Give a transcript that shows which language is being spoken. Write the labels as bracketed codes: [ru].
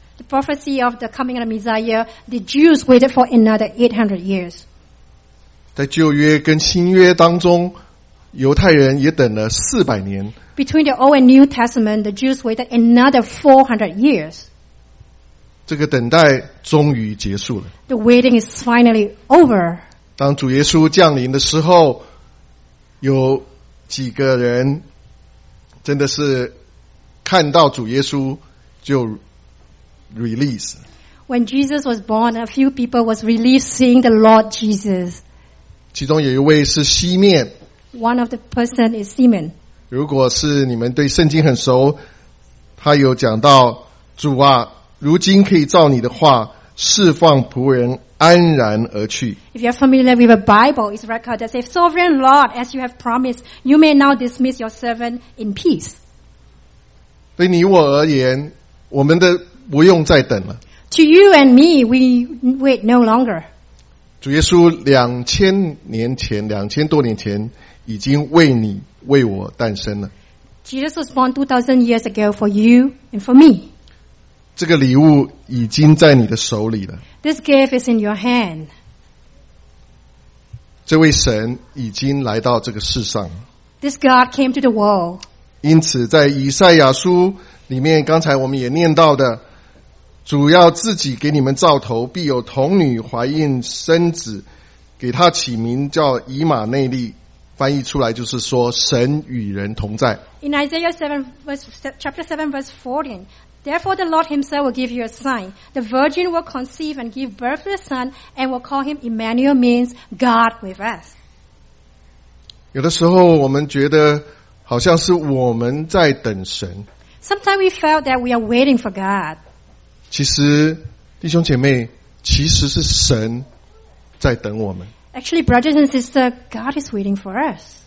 [en] The prophecy of the coming of the Messiah, the Jews waited for another 800 years. [zh] 在旧约跟新约当中，犹太人也等了400年。 [en] Between the Old and New Testament, the Jews waited another 400 years. [zh] 这个等待终于结束了。 [en] The waiting is finally over. [zh] 当主耶稣降临的时候，有几个人真的是看到主耶稣就 release。 [en] When Jesus was born, a few people was released seeing the Lord Jesus. [zh] 其中有一位是西面。 [en] One of the person is Simon. [zh] 如果是你们对圣经很熟，他有讲到主啊，如今可以照你的话释放仆人安然而去。 [en] If you are familiar with the Bible, it's recorded that if Sovereign Lord, as you have promised, you may now dismiss your servant in peace. [zh] 对你我而言，我们的不用再等了。 [en] To you and me, we wait no longer. [zh] 主耶稣两千年前，两千多年前。已经为你为我诞生了。 [en] Jesus was born 2,000 years ago for you and for me. [zh] 这个礼物已经在你的手里了。 [en] This gift is in your hand. [zh] 这位神已经来到这个世上。 [en] This God came to the world. [zh] 因此，在以赛亚书里面，刚才我们也念到的，主要自己给你们兆头，必有童女怀孕生子，给他起名叫以马内利。翻译出来就是说，神与人同在。 [en] In Isaiah 7, verse, chapter 7, verse 14, Therefore the Lord himself will give you a sign. The virgin will conceive and give birth to a son, and will call him Emmanuel, means God with us. [zh] 有的时候我们觉得好像是我们在等神。 [en] Sometimes we felt that we are waiting for God. [zh] 其实，弟兄姐妹，其实是神在等我们。 [en] Actually, brothers and sisters, God is waiting for us.